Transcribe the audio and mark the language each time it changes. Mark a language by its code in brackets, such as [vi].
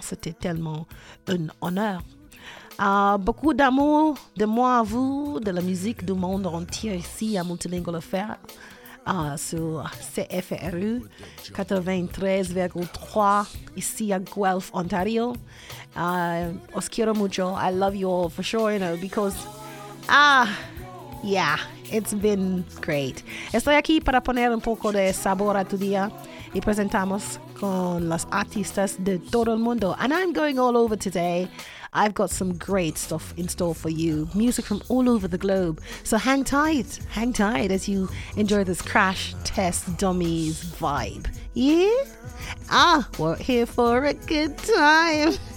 [fr] C'était tellement un honneur. Beaucoup d'amour de moi à vous, de la musique du monde entier ici à Multilingual Affair sur CFRU 93,3 ici à Guelph, Ontario. [es] Os quiero mucho. [en] I love you all for sure, you know, because... yeah, it's been great. [es] Estoy aquí para poner un poco de sabor a tu día y presentamos con las artistas de todo el mundo. [en] And I'm going all over today. I've got some great stuff in store for you. Music from all over the globe. So hang tight. Hang tight as you enjoy this Crash Test Dummies vibe. Yeah? We're here for a good time.